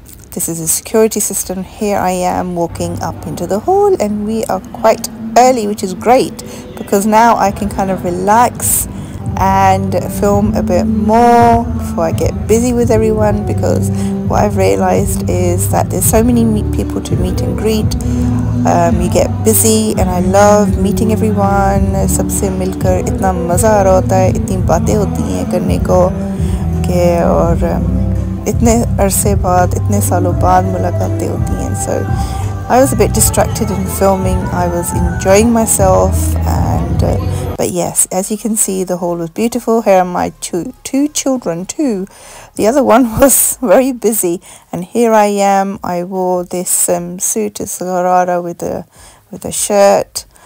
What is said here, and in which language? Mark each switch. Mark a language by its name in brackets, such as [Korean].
[English] This is a security system. Here I am walking up into the hall, and we are quite early, which is great because now I can kind of relax and film a bit more before I get busy with everyone, because what I've realized is that there's so many people to meet and greet. You get busy, and I love meeting everyone. [Urdu] سب سے مل کر اتنا مزہ آ رہا ہوتا ہے، اتنی باتیں ہوتی ہیں کرنے کو کے اور اتنے عرصے بعد، اتنے سالوں بعد ملاقاتیں ہوتی ہیں۔ [English] So I was a bit distracted in filming. I was enjoying myself, and but yes, as you can see, the hall was beautiful. Here are my two children too. The other one was very busy, and here I am. I wore this suit, a sarara, with a shirt.